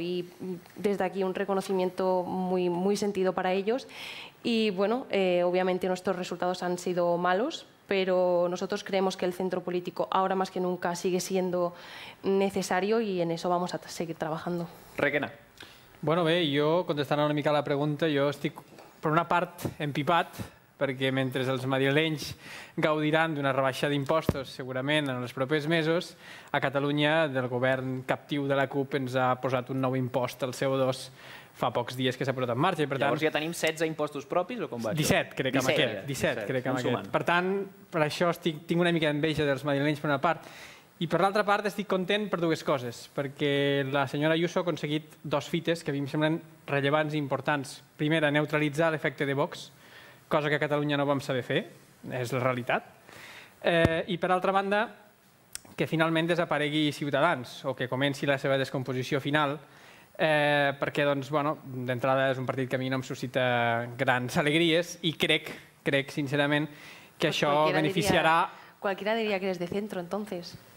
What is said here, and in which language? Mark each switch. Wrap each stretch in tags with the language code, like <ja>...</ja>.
<es>Y desde aquí un reconocimiento muy, muy sentido para ellos. Y bueno, obviamente nuestros resultados han sido malos, pero nosotros creemos que el centro político ahora más que nunca sigue siendo necesario y en eso vamos a seguir trabajando.</es> <ca>Requena. Bueno, bé, jo contestant una mica la pregunta, jo estic per una part empipat, perquè mentre els madrilenys gaudiran d'una rebaixa d'impostos segurament en els propers mesos, a Catalunya el govern captiu de la CUP ens ha posat un nou impost al CO2 fa pocs dies que s'ha posat en marxa. Per tant, llavors ja tenim 16 impostos propis o com va? 17, crec que amb aquest. 17, crec que amb aquest. Per tant, per això tinc una mica d'enveja dels madrilenys per una part. I per l'altra part estic content per dues coses, perquè la senyora Ayuso ha aconseguit dos fites que a mi em semblen rellevants i importants. Primera, neutralitzar l'efecte de Vox, cosa que a Catalunya no vam saber fer, és la realitat. I per altra banda, que finalment desaparegui Ciutadans o que comenci la seva descomposició final, perquè d'entrada és un partit que a mi no em suscita grans alegries i crec sincerament que això beneficiarà...</ca> <es>Qualquiera diria que eres de centro, entonces.</es>